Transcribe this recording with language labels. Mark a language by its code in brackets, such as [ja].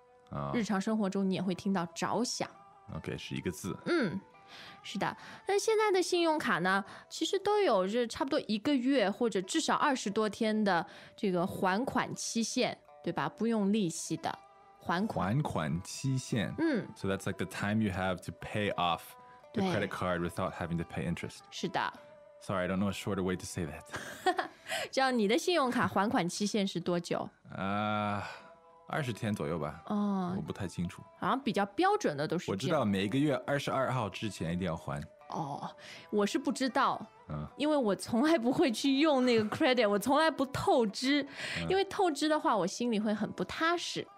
[zh] 哦。日常生活中你也会听到着想。 OK， 是一个字。嗯，是的。那现在的信用卡呢，其实都有是差不多一个月或者至少20多天的这个还款期限，对吧？不用利息的还款。还款期限。嗯。 [en] So that's like the time you have to pay off. Your credit card without having to pay interest. [zh] 是的。 [en] Sorry, I don't know a shorter way to say that. [zh] 这样你的信用卡还款期限是多久？ 20天左右吧。哦，我不太清楚。好像比较标准的都是这样。我知道每个月22号之前一定要还。哦，我是不知道，因为我从来不会去用那个 credit， 我从来不透支，因为透支的话我心里会很不踏实。